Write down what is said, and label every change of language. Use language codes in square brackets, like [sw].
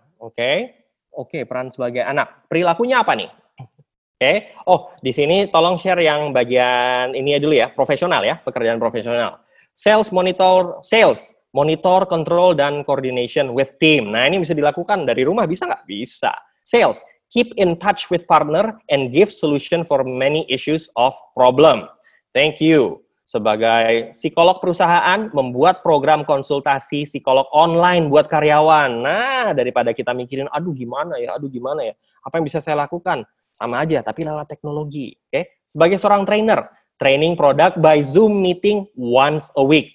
[id] Oke, okay, oke, okay, peran sebagai anak. Perilakunya apa nih? Oke, okay, oh, di sini tolong share yang bagian ini aja dulu ya, profesional ya, pekerjaan profesional. [en] Sales, monitor, control, dan coordination with team. [id] Nah, ini bisa dilakukan dari rumah, bisa nggak? Bisa. [en] Sales, keep in touch with partner and give solution for many issues of problem. Thank you. [id] Sebagai psikolog perusahaan, membuat program konsultasi psikolog online buat karyawan. Nah, daripada kita mikirin, aduh gimana ya, apa yang bisa saya lakukan? Sama aja, tapi lewat teknologi. Oke? Okay? Sebagai seorang trainer, training produk [en] by Zoom meeting once a week.